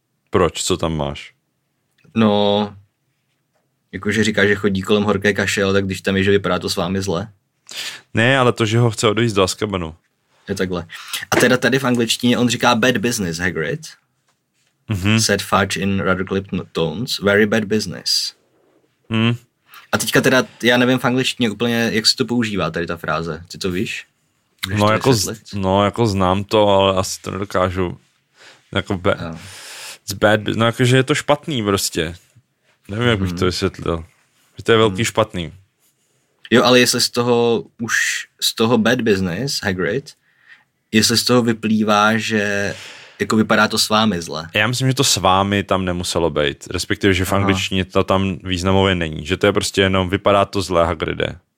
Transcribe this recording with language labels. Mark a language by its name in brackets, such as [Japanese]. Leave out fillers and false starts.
[Czech] Proč, co tam máš? No, jakože říká, že chodí kolem horké kaše, ale tak když tam je, že vypadá to s vámi zle. Ne, ale to, že ho chce odejít do Azkabanu. Je takhle. A teda tady v angličtině on říká bad business, Hagrid. Mm-hmm. [English] Said Fudge in rather clipped tones. Very bad business. Mm. [Czech] A teďka teda, já nevím v angličtině úplně, jak se to používá tady ta fráze. Ty to víš? No jako, jako znám to, ale asi to nedokážu. Jako it's bad business. No jakože je to špatný prostě. Nevím, jak bych to vysvětlil. Že to je velký špatný. Jo, ale jestli z toho už, z toho bad business, Hagrid, jestli z toho vyplývá, že jako vypadá to s vámi zle. Já myslím, že to s vámi tam nemuselo být, respektive, že v angličtině to tam významově není, že to je prostě jenom vypadá to zle, Hagride.